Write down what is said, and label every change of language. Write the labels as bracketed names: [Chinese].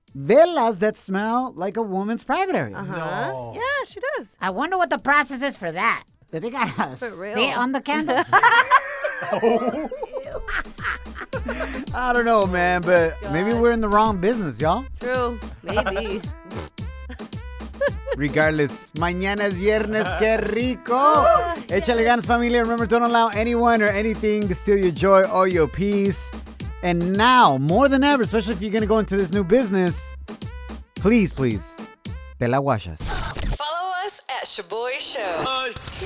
[English] Villas that smell like a woman's private area. Uh-huh. No. Yeah, she does. I wonder what the process is for that. Do they got us? For real? On the candle? I don't know, man, but maybe we're in the wrong business, y'all. True. Maybe. [Spanish] Regardless, mañana es viernes, qué rico. Échale ganas, familia. [English] Remember, don't allow anyone or anything to steal your joy or your peace. And now, more than ever, especially if you're going to go into this new business, please, please, [Spanish] te la guayas. [English] Follow us at Shaboy Show.